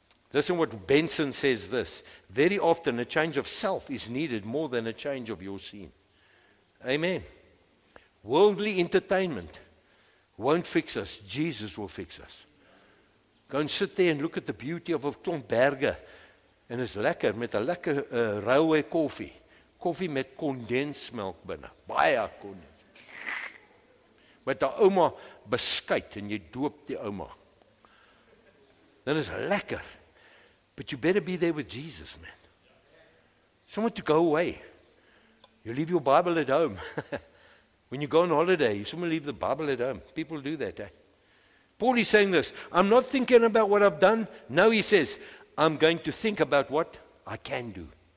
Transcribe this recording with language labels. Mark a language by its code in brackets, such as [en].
[en] Listen what Benson says this. Very often a change of self is needed more than a change of your scene. Amen. Worldly entertainment won't fix us. Jesus will fix us. Go and sit there and look at the beauty of a [af] klomp berge. En is lekker met 'n lekker rauwe koffie. Koffie met kondensmelk binne. Baie kondens. Met 'n ouma beskuit en jy doop die ouma. Dit is lekker. [en] But you better be there with Jesus, man. Someone to go away. You leave your Bible at home. When you go on holiday, you someone leave the Bible at home. People do that, eh? Paul is saying this. I'm not thinking about what I've done. No, he says, I'm going to think about what I can do.